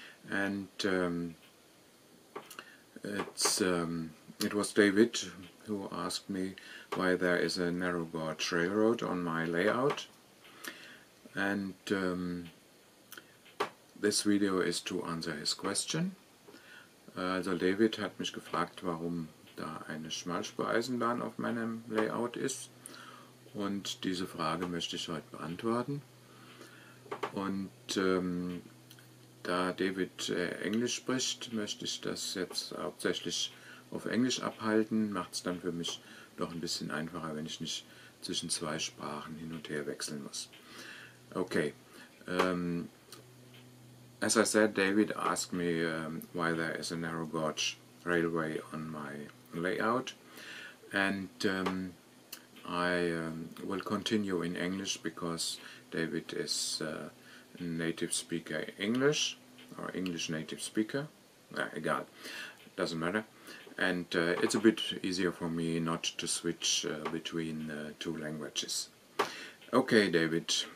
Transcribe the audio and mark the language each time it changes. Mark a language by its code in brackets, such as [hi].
[en] And it was David who asked me why there is a narrow gauge railroad on my layout. And this video is to answer his question. [de] Also David hat mich gefragt, warum da eine Schmalspureisenbahn auf meinem Layout ist. Und diese Frage möchte ich heute beantworten. Und da David Englisch spricht, möchte ich das jetzt hauptsächlich auf Englisch abhalten. Macht es dann für mich doch ein bisschen einfacher, wenn ich nicht zwischen zwei Sprachen hin und her wechseln muss. [en] Okay, as I said, David asked me why there is a narrow gauge railway on my layout, and I will continue in English because David is a native speaker English, or English native speaker, egal, doesn't matter, and it's a bit easier for me not to switch between two languages. Okay, David.